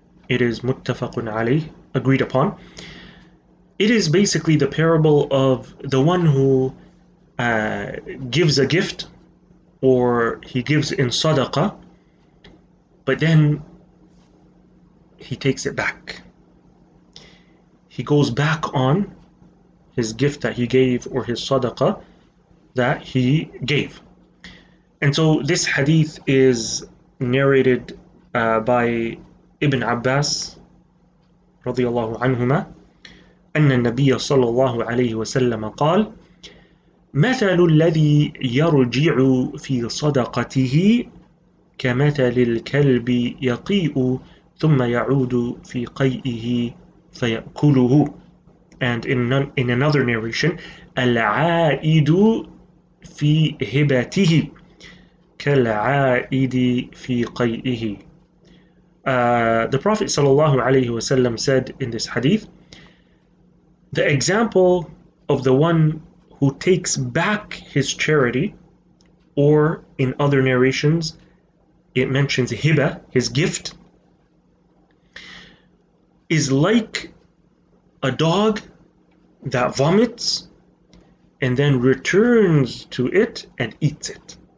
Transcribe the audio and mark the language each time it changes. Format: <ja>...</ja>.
<en>It is muttafaqun alayh, agreed upon. It is basically the parable of the one who gives a gift, or he gives in sadaqah, but then he takes it back. He goes back on his gift that he gave, or his sadaqah that he gave. And so this hadith is narrated by Ibn Abbas radiyallahu anhuma,</en> <ar>أن النبي صلى الله عليه وسلم قال مثل الذي يرجع في صدقته كمثل الكلب يقيء ثم يعود في قيئه فيأكله.</ar> <en>And in another narration,</en> <ar>العائد في هبته كالعائد في قيئه.</ar> <en>The Prophet صلى الله عليه وسلم said in this hadith, the example of the one who takes back his charity, or in other narrations, it mentions hiba, his gift, is like a dog that vomits and then returns to it and eats it.</en>